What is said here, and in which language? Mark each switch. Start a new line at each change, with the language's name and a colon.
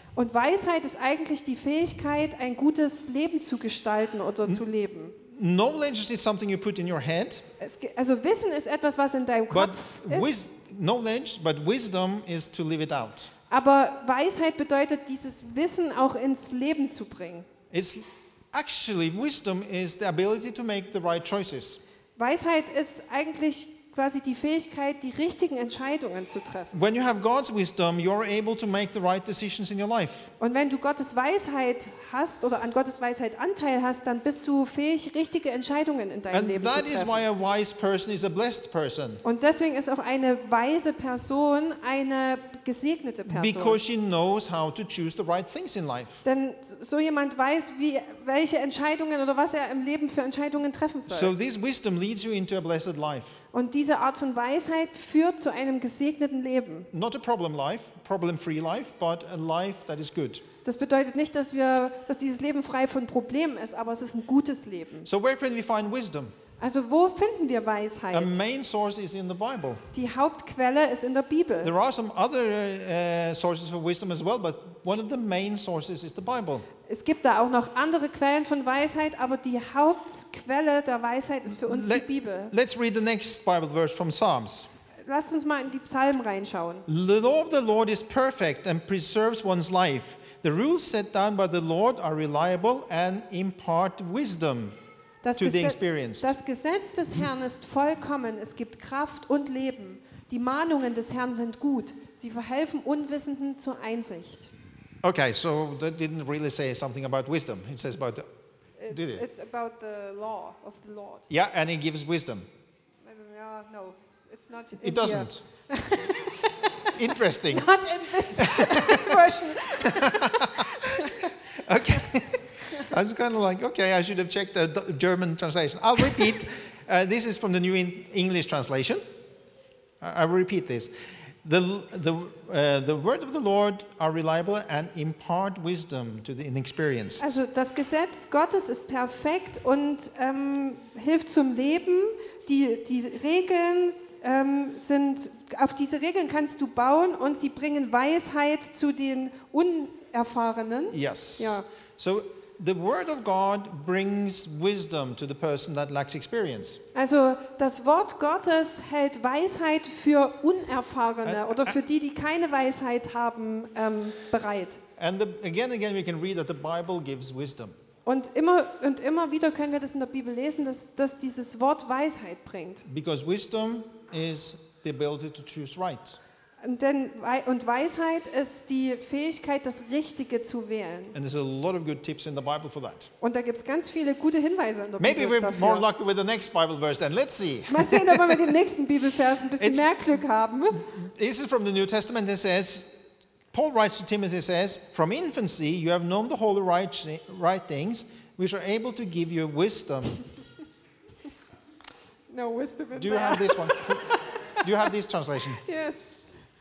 German: Und Weisheit ist eigentlich die Fähigkeit, ein gutes Leben zu gestalten oder zu leben.
English: Knowledge is something you put in your head.
German: Also Wissen ist etwas, was in deinem Kopf ist.
English: Knowledge, but wisdom is to live it out.
German: Aber Weisheit bedeutet, dieses Wissen auch ins Leben zu bringen.
English: It's actually wisdom is the ability to make the right choices.
German: Weisheit ist eigentlich quasi die Fähigkeit, die richtigen Entscheidungen zu treffen.
English: When you have God's wisdom, you're able to make the right decisions in your life.
German: Und wenn du Gottes Weisheit hast oder an Gottes Weisheit Anteil hast, dann bist du fähig, richtige Entscheidungen in deinem Leben zu treffen.
English: And that is why a wise person is a blessed person.
German: Und deswegen ist auch eine weise Person eine gesegnete Person.
English: Because she knows how to choose the right things in life.
German: Denn so jemand weiß, wie welche Entscheidungen oder was er im Leben für Entscheidungen treffen soll.
English: So this wisdom leads you into a blessed life.
German: Und diese Art von Weisheit führt zu einem gesegneten Leben.
English: Not a problem life, problem-free life, but a life that is good.
German: Das bedeutet nicht, dass dieses Leben frei von Problemen ist, aber es ist ein gutes Leben.
English: So where can we find wisdom?
German: Also wo finden wir Weisheit?
English: The main source is in the Bible.
German: Die Hauptquelle ist in der Bibel.
English: There are some other sources for wisdom as well, but one of the main sources is the Bible.
German: Es gibt da auch noch andere Quellen von Weisheit, aber die Hauptquelle der Weisheit ist für uns die Bibel.
English: Let's read the next Bible verse from Psalms.
German: Lasst uns mal in die Psalmen reinschauen.
English: The law of the Lord is perfect and preserves one's life. The rules set down by the Lord are reliable and impart wisdom.
German: Das Gesetz des Herrn ist vollkommen, es gibt Kraft und Leben. Die Mahnungen des Herrn sind gut, sie verhelfen Unwissenden zur Einsicht.
English: Okay, so that didn't really say something about wisdom. It says about It's about the law of the Lord. Yeah, and it gives wisdom. No, it's not in it doesn't. Interesting. Not in this version. Okay. I was kind of like, okay, I should have checked the German translation. I'll repeat. This is from the New English Translation. I will repeat this. The word of the Lord are reliable and impart wisdom to the inexperienced.
German: Also das Gesetz Gottes ist perfekt und hilft zum Leben. Die Regeln sind, auf diese Regeln kannst du bauen und sie bringen Weisheit zu den Unerfahrenen.
English: Yes. Ja. So The word of God brings wisdom to the person that lacks experience.
German: Also, das Wort Gottes hält Weisheit für Unerfahrene oder für die, die keine Weisheit haben, bereit.
English: And again, we can read that the Bible gives wisdom.
German: Und immer wieder können wir das in der Bibel lesen, dass dieses Wort Weisheit bringt.
English: Because wisdom is the ability to choose right.
German: Und Weisheit ist die Fähigkeit, das Richtige zu wählen.
English: And there's a lot of good tips in the Bible for that.
German: Und da gibt's ganz viele gute Hinweise in der
English: Maybe
German: Bibel dafür.
English: Maybe we're more lucky with the next Bible verse. Then let's see.
German: Mal sehen, ob wir mit dem nächsten Bibelvers ein bisschen mehr Glück haben.
English: This is from the New Testament. It says, Paul writes to Timothy, says, "From infancy you have known the holy right things, which are able to give you wisdom." No wisdom in Do there. Do you have this one? Do you have this translation? Yes.